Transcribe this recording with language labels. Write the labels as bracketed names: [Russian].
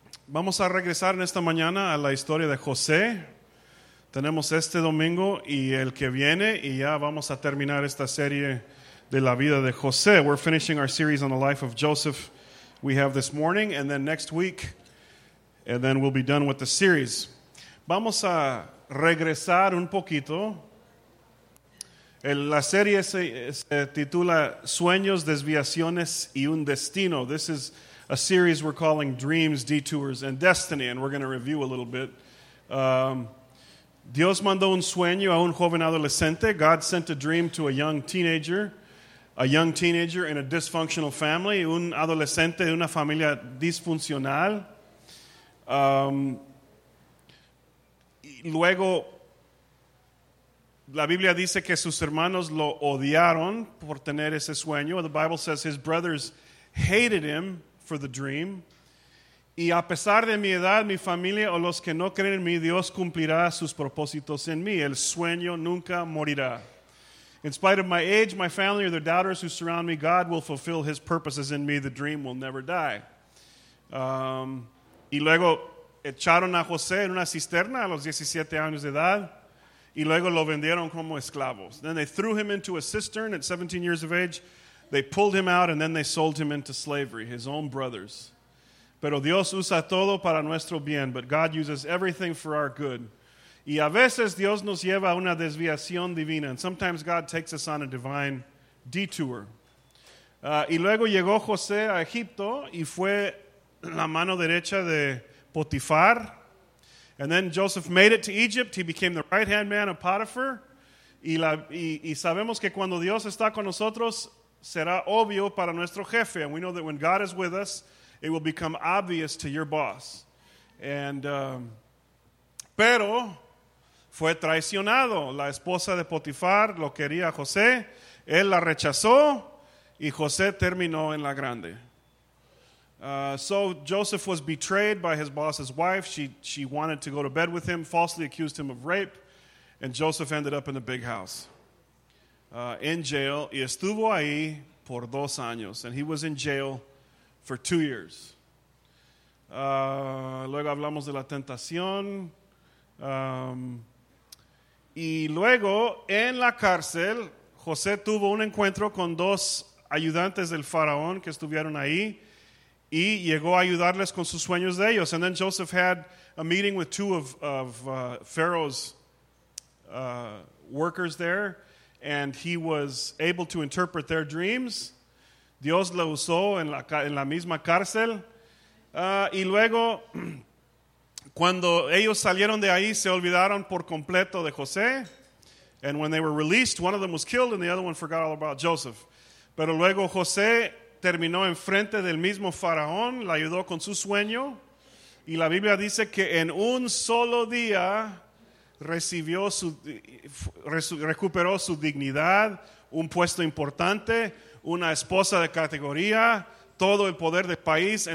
[Spanish] Vamos a regresar en esta mañana a la historia de José. Tenemos este domingo y el que viene, y ya vamos a terminar esta serie de la vida de José. [English] We're finishing our series on the life of Joseph. We have this morning, and then next week, and then we'll be done with the series. [Spanish] Vamos a regresar un poquito. La serie se titula Sueños, Desviaciones y un Destino. [English] This is a series we're calling Dreams, Detours, and Destiny, and we're going to review a little bit. [Spanish] Dios mandó un sueño a un joven adolescente. [English] God sent a dream to a young teenager in a dysfunctional family, [Spanish] un adolescente de una familia disfuncional. Luego, la Biblia dice que sus hermanos lo odiaron por tener ese sueño. [English] The Bible says his brothers hated him for the dream. [Spanish] Y a pesar de mi edad, mi familia o los que no creen en mí, Dios cumplirá sus propósitos en mí. El sueño nunca morirá. [English] In spite of my age, my family, or the doubters who surround me, God will fulfill his purposes in me. The dream will never die. [Spanish] Y luego echaron a José en una cisterna a los 17 años de edad. Y luego lo vendieron como esclavos. [English] Then they threw him into a cistern at 17 years of age. They pulled him out and then they sold him into slavery, his own brothers. [Spanish] Pero Dios usa todo para nuestro bien. [English] But God uses everything for our good. [Spanish] Y a veces Dios nos lleva a una desviación divina. [English] And sometimes God takes us on a divine detour. [Spanish] Y luego llegó José a Egipto y fue la mano derecha de Potifar. [English] And then Joseph made it to Egypt. He became the right-hand man of Potiphar. [Spanish] Y sabemos que cuando Dios está con nosotros, será obvio para nuestro jefe. [English] And we know that when God is with us, it will become obvious to your boss. [Spanish] And pero fue traicionado. La esposa de Potifar lo quería a José. Él la rechazó. Y José terminó en la grande. [English] So Joseph was betrayed by his boss's wife. She wanted to go to bed with him, falsely accused him of rape. And Joseph ended up in the big house. In jail. [Spanish] Y estuvo ahí por 2 años. [English] And he was in jail for 2 years. [Spanish] Luego hablamos de la tentación. Y luego, en la cárcel, José tuvo un encuentro con 2 ayudantes del faraón que estuvieron ahí y llegó a ayudarles con sus sueños de ellos. [English] And then Joseph had a meeting with 2 of Pharaoh's workers there, and he was able to interpret their dreams. [Spanish] Dios lo usó en la misma cárcel. Y luego, cuando ellos salieron de ahí, se olvidaron por completo de José. [English] And when they were released, one of them was killed and the other one forgot all about Joseph. [Spanish] Pero luego José terminó enfrente del mismo faraón, le ayudó con su sueño. Y la Biblia dice que en un solo día recuperó su dignidad, un puesto importante, una esposa de categoría, todo el poder del país.